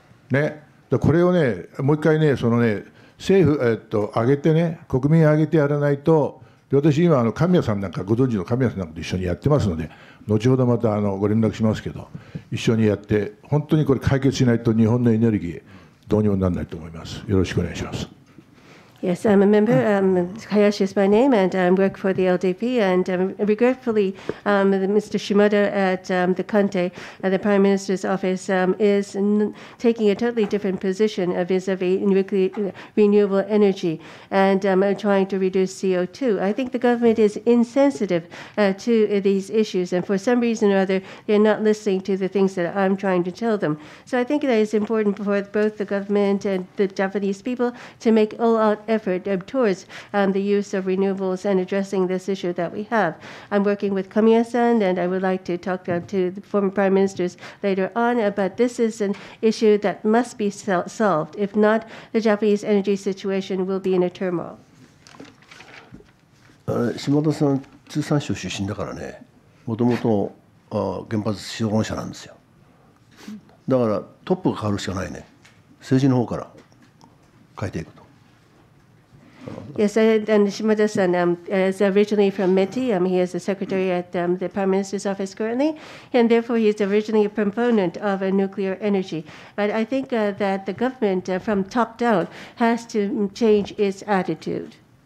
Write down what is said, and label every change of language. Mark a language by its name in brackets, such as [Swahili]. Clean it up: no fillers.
[Japanese] ね、だこれをね、もう一回ね、そのね、政府、上げてね、国民上げてやらないと、で私、今、神谷さんなんか、ご存知の神谷さんなんかと一緒にやってますので、後ほどまたご連絡しますけど、一緒にやって、本当にこれ、解決しないと、日本のエネルギー、どうにもならないと思います。よろしくお願いします。 [English] Yes, I'm a member. Hayashi is my name, and I work for the LDP. And regretfully, Mr. Shimada at the Kante, the Prime Minister's office, is taking a totally different position vis-à-vis renewable energy and trying to reduce CO2. I think the government is insensitive to these issues, and for some reason or other, they're not listening to the things that I'm trying to tell them. So I think that it's important for both the government and the Japanese people to make all-out effort towards the use of renewables and addressing this issue that we have. I'm working with Kamiya-san, and I would like to talk to the former prime ministers later on, but this is an issue that must be solved. If not, the Japanese energy situation will be in a turmoil. [Japanese] Shimada-san, 通産省出身だからね、もともと原発資本者なんですよ。だからトップが変わるしかないね。政治の方から変えていく。 [English] Yes, and Shimada-san is originally from METI. He is the secretary at the Prime Minister's office currently, and therefore he is originally a proponent of nuclear energy. But I think that the government from top down has to change its attitude.